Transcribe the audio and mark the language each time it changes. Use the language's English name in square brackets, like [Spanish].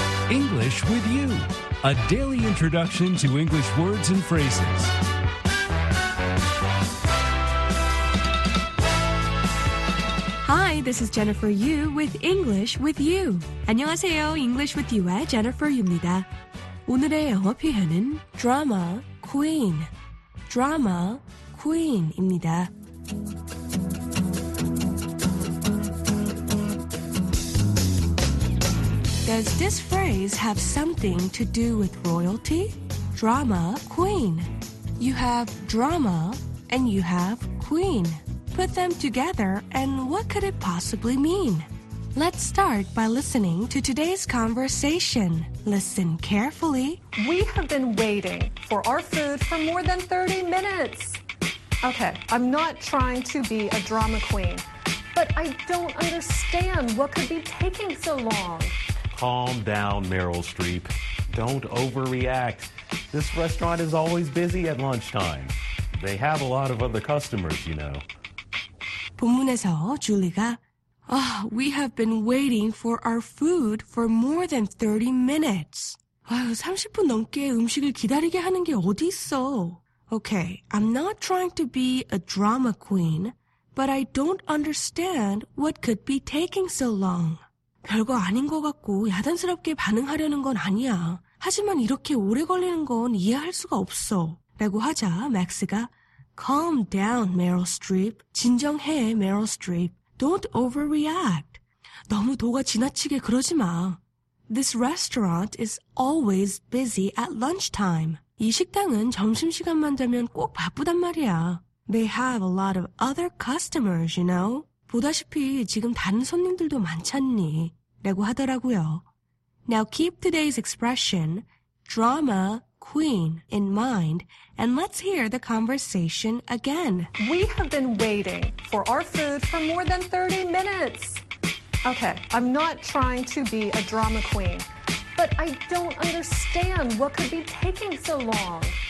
[English] English with you, a daily introduction to English words and phrases. Hi, this is Jennifer Yu with English with you. [Korean] 안녕하세요, English with you의 Jennifer Yu입니다. 오늘의 영어 표현은 drama queen, drama queen입니다. [English] Does this phrase have something to do with royalty? Drama queen. You have drama and you have queen. Put them together and what could it possibly mean? Let's start by listening to today's conversation. Listen carefully. We have been waiting for our food for more than 30 minutes. Okay, I'm not trying to be a drama queen, but I don't understand what could be taking so long. Calm down, Meryl Streep. Don't overreact. This restaurant is always busy at lunchtime. They have a lot of other customers, you know. [Korean] 본문에서 줄리가 [English] Oh, we have been waiting for our food for more than 30 minutes. [Korean] 아유, 30분 넘게 음식을 기다리게 하는 게 어디 있어? [English] Okay, I'm not trying to be a drama queen, but I don't understand what could be taking so long. [Korean] 별거 아닌 것 같고 야단스럽게 반응하려는 건 아니야. 하지만 이렇게 오래 걸리는 건 이해할 수가 없어. 라고 하자 맥스가 [English] Calm down, Meryl Streep. [Korean] 진정해, Meryl Streep. [English] Don't overreact. [Korean] 너무 도가 지나치게 그러지 마. [English] This restaurant is always busy at lunchtime. [Korean] 이 식당은 점심시간만 되면 꼭 바쁘단 말이야. [English] They have a lot of other customers, you know. [Korean] 보다시피 지금 다른 손님들도 많잖니. 라고 하더라고요. [English] Now keep today's expression, drama queen, in mind, and let's hear the conversation again. We have been waiting for our food for more than 30 minutes. Okay, I'm not trying to be a drama queen, but I don't understand what could be taking so long.